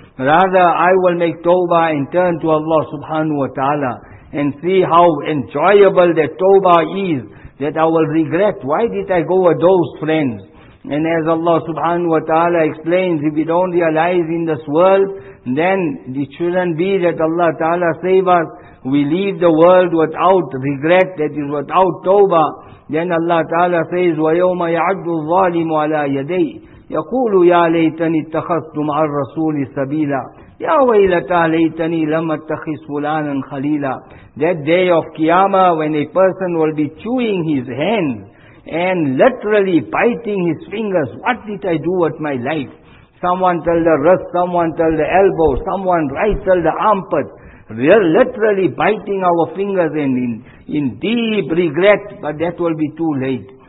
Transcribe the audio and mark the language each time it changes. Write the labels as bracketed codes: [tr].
[en] Rather, I will make tawbah and turn to Allah subhanahu wa ta'ala and see how enjoyable that tawbah is, that I will regret. Why did I go with those friends? And as Allah subhanahu wa ta'ala explains, if we don't realize in this world, then it shouldn't be that Allah ta'ala save us. We leave the world without regret, that is without tawbah. Then Allah ta'ala says, [ar] وَيَوْمَ يَعَدُّ الظَّالِمُ عَلَىٰ يَدَيْهِ يَقُولُ يَا لَيْتَنِي اتَّخَذْتُ مَعَ الرَّسُولِ سَبِيلًا يَا وَيْلَتَا لَيْتَنِي لَمَ اتَّخِذْ فُلَانًا خَلِيلًا. [en] That day of Qiyamah, when a person will be chewing his hand and literally biting his fingers, what did I do with my life? Someone tell the wrist, someone tell the elbow, someone right tell the armpit. We are literally biting our fingers and in deep regret, but that will be too late.